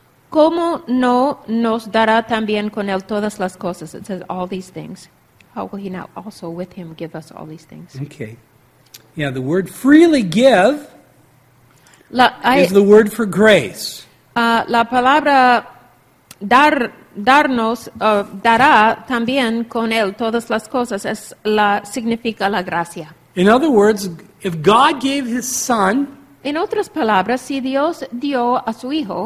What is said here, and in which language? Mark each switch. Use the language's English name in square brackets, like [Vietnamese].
[Spanish] ¿Cómo no nos dará también con él todas las cosas? [English] It says all these things. How will he now also with him give us all these things? Okay. Yeah, the word freely give is the word for grace. [Spanish] La palabra dar. Darnos, dará también con él todas las cosas, es la significa la gracia. [English] In other words, if God gave his son, [Spanish] en otras palabras, si Dios dio a su hijo,